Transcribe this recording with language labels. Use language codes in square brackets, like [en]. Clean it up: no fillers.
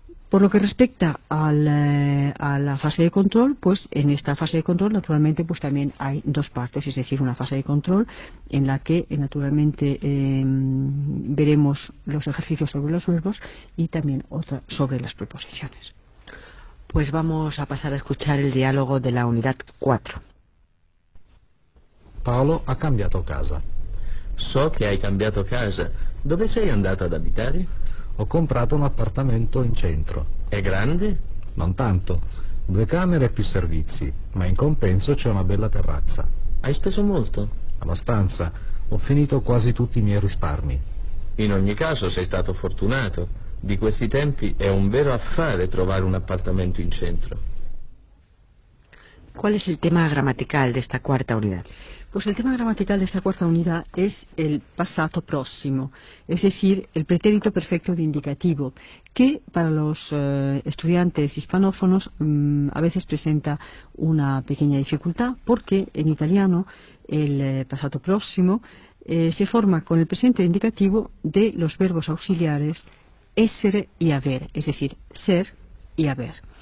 [es] Por lo que respecta a la fase de control, pues en esta fase de control naturalmente pues también hay dos partes, es decir, una fase de control en la que naturalmente veremos los ejercicios sobre los verbos y también otra sobre las preposiciones. Pues vamos a pasar a escuchar el diálogo de la unidad 4. [it] Paolo ha cambiato casa. so che hai cambiato casa. Dove sei andato ad abitare? Ho comprato un appartamento in centro. È grande? Non tanto. Due camere e più servizi, ma in compenso c'è una bella terrazza. Hai speso molto? Abbastanza. Ho finito quasi tutti i miei risparmi. In ogni caso sei stato fortunato. Di questi tempi è un vero affare trovare un appartamento in centro. [es] ¿Cuál es el tema gramatical de esta cuarta unidad? Pues el tema gramatical de esta cuarta unidad es el pasado próximo, es decir, el pretérito perfecto de indicativo, que para los estudiantes hispanófonos a veces presenta una pequeña dificultad, porque en italiano el pasado próximo se forma con el presente indicativo de los verbos auxiliares essere y haber, es decir, ser y haber.